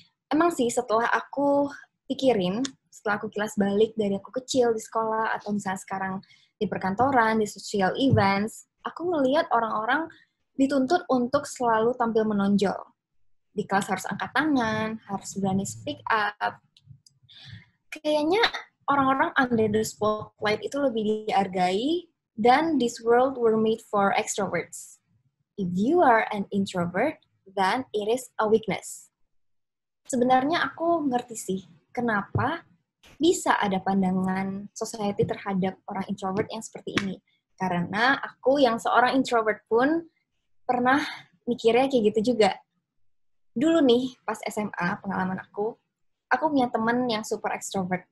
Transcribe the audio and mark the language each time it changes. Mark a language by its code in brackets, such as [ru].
[id] Emang sih, setelah aku pikirin, setelah aku kilas balik dari aku kecil di sekolah atau misalnya sekarang di perkantoran, di social events, aku ngelihat orang-orang dituntut untuk selalu tampil menonjol. Di kelas harus angkat tangan, harus berani [en] speak up. [id] Kayaknya orang-orang [en] under the spotlight [id] itu lebih dihargai [en] than this world were made for extroverts. If you are an introvert, then it is a weakness. [id] Sebenarnya aku ngerti sih kenapa bisa ada pandangan society terhadap orang introvert yang seperti ini. Karena aku yang seorang introvert pun pernah mikirnya kayak gitu juga. Dulu nih, pas SMA, pengalaman aku punya temen yang super extrovert.